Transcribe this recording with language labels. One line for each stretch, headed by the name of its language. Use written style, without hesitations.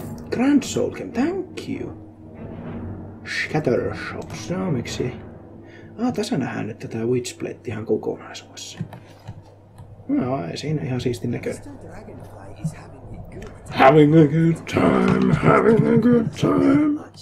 English: Grand Soul Gem, thank you.
Finnish: Shattershop, se on miksi? Ah, tässä nähdään nyt tätä Witchblade ihan kokonaisuudessa. No, ei siinä ihan siistin näköinen.
English: Having a good time, having a good time.